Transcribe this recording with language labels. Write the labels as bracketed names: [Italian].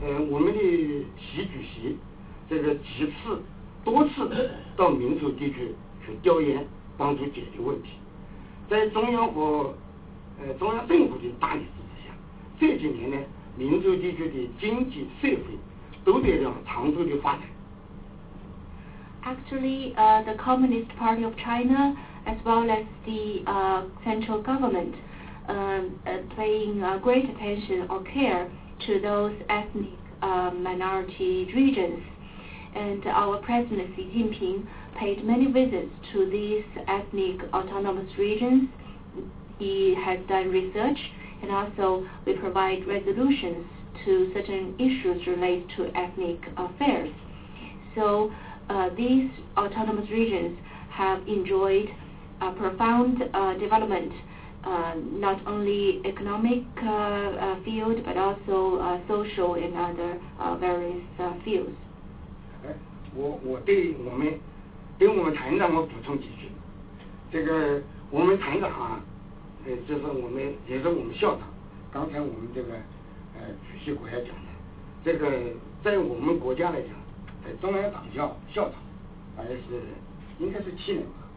[Chinese] 我们的习主席这个几次、多次到民族地区去调研，帮助解决问题。在中央和中央政府的大力支持下，这几年呢，民族地区的经济社会都得到长足的发展。 [English] Actually, the Communist Party of China. As well as the central government paying great attention or care to those ethnic minority regions. And our President Xi Jinping paid many visits to these ethnic autonomous regions. He has done research, and also we provide resolutions to certain issues related to ethnic affairs. So these autonomous regions have enjoyed. A profound development, not only economic field, but also social and other various fields. [Chinese] 我对我们团长我补充几句，这个我们团长啊，就是我们也是我们校长，刚才我们这个主席国家讲的，这个在我们国家来讲，在中央党校校长，大概是应该是七年吧。